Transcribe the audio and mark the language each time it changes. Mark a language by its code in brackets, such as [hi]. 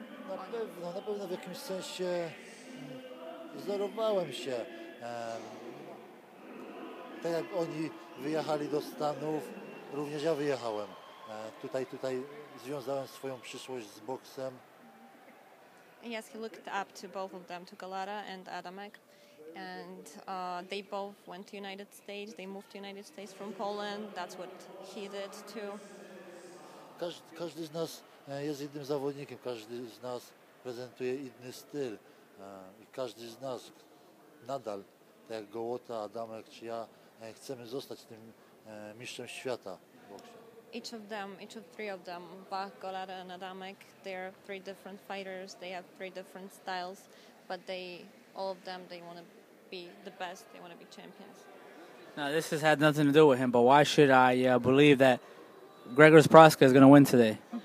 [pl] oni? Na pewno w jakimś sensie wzorowałem się. Tak jak oni wyjechali do Stanów, również ja wyjechałem. Tutaj związałem swoją przyszłość z boksem. [en] Yes, he looked up to both of them, to Golota and Adamek. And they both went to United States, they moved to United States from Poland. That's what he did too. [pl] Każdy z nas jest jednym zawodnikiem, każdy z nas prezentuje inny styl. I każdy z nas nadal, tak jak Gołota, Adamek czy ja, chcemy zostać tym mistrzem świata w boksie. [en] Each of them, each of three of them, Bach, Golada and Adamek, they are three different fighters, they have three different styles, but they, all of them, they want to be the best, they want to be champions. Now, this has had nothing to do with him, but why should I believe that Gregor Praska is going to win today?